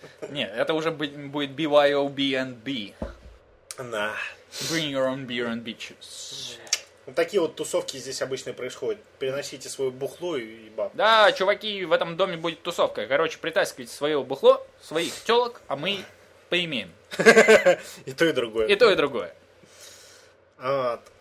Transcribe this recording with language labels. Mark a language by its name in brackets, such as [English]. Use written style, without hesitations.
[Russian] Нет, это уже будет [English] BYOB and B. [Russian] Да. [English] Bring your own beer and bitches. [Russian] Такие вот тусовки здесь обычно происходят. Переносите свое бухло и баб. Да, чуваки, в этом доме будет тусовка. Короче, притаскивайте свое бухло, своих тёлок, а мы поимеем. И то, и другое. И то, и другое. Вот.